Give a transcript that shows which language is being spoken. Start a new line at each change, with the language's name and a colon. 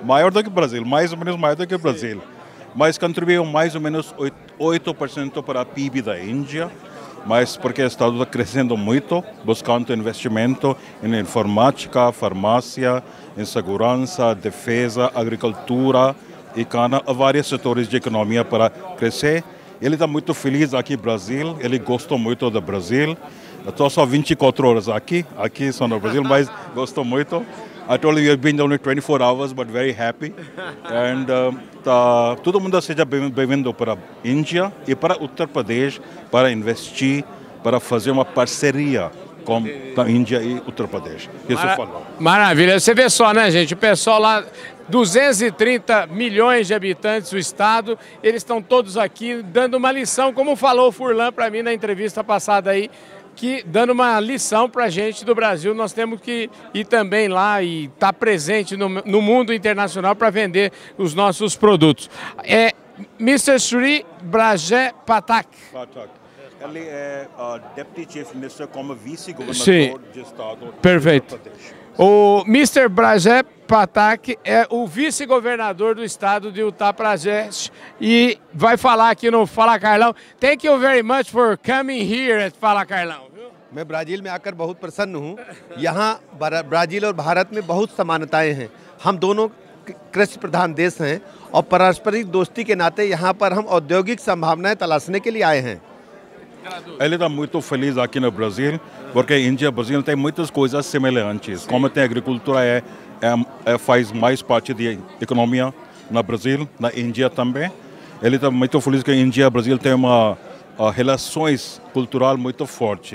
Portuguese: Maior do que o Brasil, mais ou menos maior do que o Brasil. Mas contribuiu mais ou menos 8% para a PIB da Índia, mas porque o estado está crescendo muito, buscando investimento em informática, farmácia, em segurança, defesa, agricultura e cana, vários setores de economia para crescer. Ele está muito feliz aqui no Brasil, ele gostou muito do Brasil. Eu estou só 24 horas aqui só no Brasil, mas gosto muito.
English: I told you you've been only 24 hours, but very happy.
Portuguese: And todo mundo seja bem-vindo para a Índia e para Uttar Pradesh para investir, para fazer uma parceria com a Índia e Uttar Pradesh. Isso eu falo. Maravilha. Você vê só, né, gente? O pessoal lá, 230 milhões de habitantes, o estado, eles estão todos aqui dando uma lição, como falou o Furlan para mim na entrevista passada aí, que dando uma lição para a gente do Brasil. Nós temos que ir também lá e estar presente no mundo internacional para vender os nossos produtos. É Mr. Shri Brajesh Pathak. Ele é Deputy Chief Minister como vice-governador de estado. Perfeito. O Mr. Brajesh Pathak é o vice-governador do estado de Uttar Pradesh e vai falar aqui no Fala Carlão.
English: Thank you very much for coming here at Fala Carlão.
Hindi: मैं Brazil में आकर बहुत प्रसन्न हूं. यहां Brazil और भारत में बहुत समानताएं हैं. हम दोनों कृषि प्रधान देश हैं और पारस्परिक दोस्ती के नाते यहां पर हम औद्योगिक संभावनाएं तलाशने के लिए आए हैं.
Portuguese: Ele está muito feliz aqui no Brasil, porque Índia e Brasil tem muitas coisas semelhantes. Sim. Como tem agricultura, faz mais parte da economia no Brasil, na Índia também. Ele está muito feliz que Índia e Brasil tem uma relações cultural muito forte.